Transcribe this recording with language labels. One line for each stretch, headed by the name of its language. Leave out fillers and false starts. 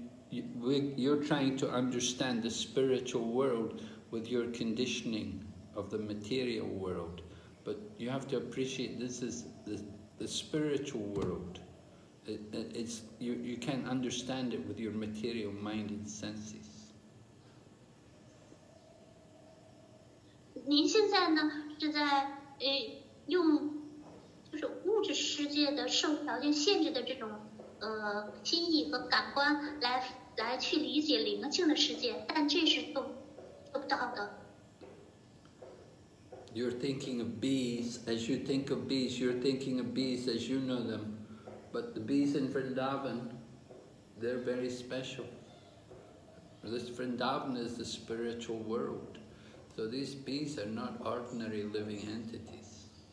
English: You're trying to understand the spiritual world with your conditioning of the material world, but you have to appreciate this is the spiritual world. You can't understand it with your material mind and senses.
Chinese: 您现在呢是在用就是物质世界的受条件限制的这种心意和感官来去理解灵性的世界，但这是做不到的。
English: You're thinking of bees. As you think of bees, you're thinking of bees as you know them. But the bees in Vrindavan, they're very special. This Vrindavan is the spiritual world. So these bees are not ordinary living entities.